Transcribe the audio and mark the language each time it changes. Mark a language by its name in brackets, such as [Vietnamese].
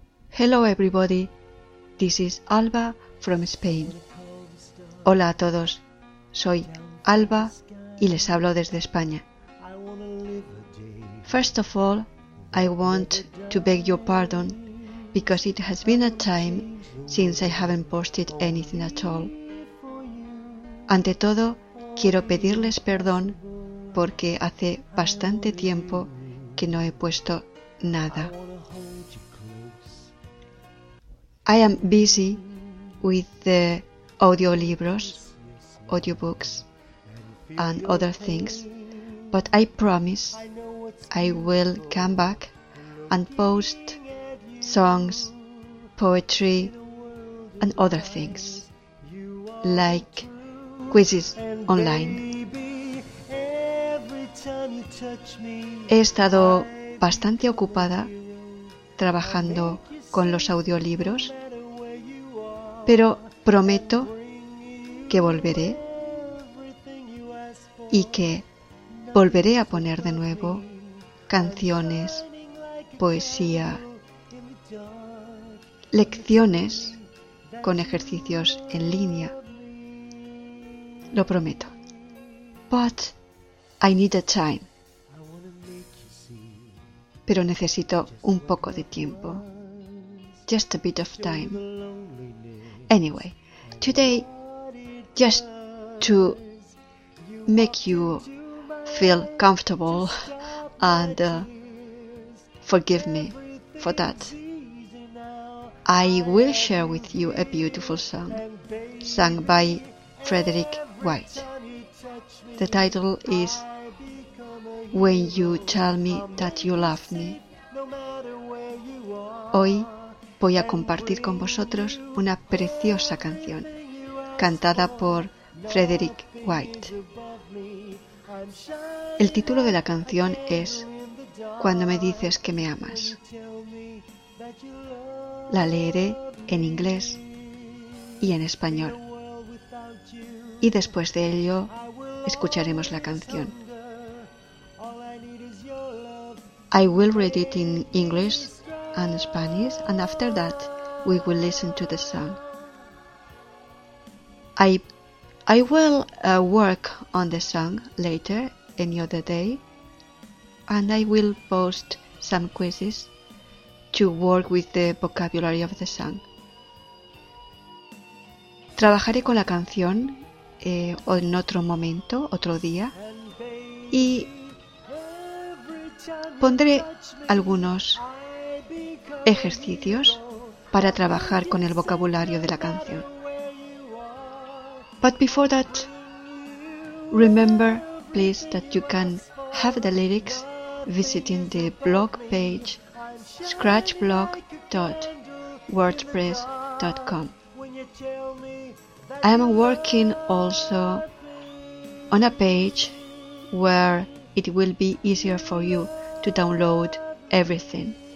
[English] Hello everybody, this is Alba from Spain. [Spanish] Hola a todos, soy Alba y les hablo desde España. [English] First of all, I want to beg your pardon because it has been a time since I haven't posted anything at all. [Spanish] Ante todo, quiero pedirles perdón porque hace bastante tiempo que no he puesto nada. [English] I am busy with the audiolibros, audiobooks, and other things, but I promise I will come back and post songs, poetry, and other things, like quizzes online. [Spanish] He estado bastante ocupada trabajando con los audiolibros, pero prometo que volveré y que volveré a poner de nuevo canciones, poesía, lecciones con ejercicios en línea. Lo prometo. [English] But I need a time. [Spanish] Pero necesito un poco de tiempo. [English] Just a bit of time. Anyway, today, just to make you feel comfortable and forgive me for that, I will share with you a beautiful song sung by Frederick White. The title is When You Tell Me That You Love Me. [Spanish] Hoy voy a compartir con vosotros una preciosa canción cantada por Frederick White. El título de la canción es Cuando me dices que me amas. La leeré en inglés y en español. Y después de ello escucharemos la canción. [English] I will read it in English and Spanish, and after that we will listen to the song. I will work on the song later, any other day, and I will post some quizzes to work with the vocabulary of the song. [Spanish] Trabajaré con la canción en otro momento, otro día, y pondré algunos ejercicios para trabajar con el vocabulario de la canción. [English] But before that, remember please that you can have the lyrics visiting the blog page scratchblog.wordpress.com. I am working also on a page where it will be easier for you to download everything.